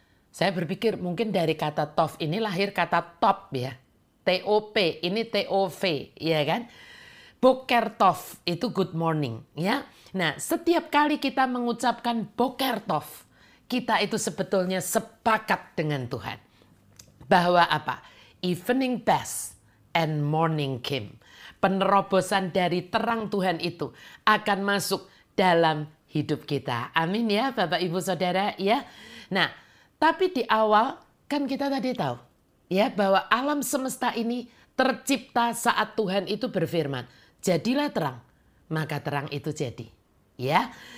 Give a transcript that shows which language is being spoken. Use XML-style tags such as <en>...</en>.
<id>Saya berpikir mungkin dari kata tov ini lahir kata top ya. T-O-P, ini T-O-V, ya kan?</id> <he>Boker tov</he> <id>itu</id> <en>good morning,</en> <id>ya. Nah, setiap kali kita mengucapkan</id> <he>boker tov,</he> <id>kita itu sebetulnya sepakat dengan Tuhan. Bahwa apa?</id> <en>Evening best and morning came.</en> <id>Penerobosan dari terang Tuhan itu akan masuk dalam hidup kita. Amin ya Bapak Ibu Saudara ya. Nah, tapi di awal kan kita tadi tahu ya bahwa alam semesta ini tercipta saat Tuhan itu berfirman, jadilah terang, maka terang itu jadi. Ya.</id>